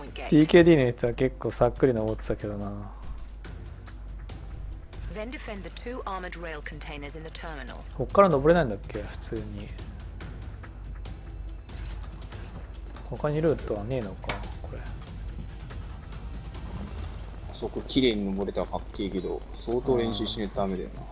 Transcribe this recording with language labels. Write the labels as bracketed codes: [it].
[ja] PKD の人は結構さっくり登ってたけどな。 [en] Then defend the two armored rail containers in the terminal. [ja] こっから登れないんだっけ、普通に。他にルートはねえのか。そこ綺麗に登れたらかっけえけど、相当練習しねえとダメだよな。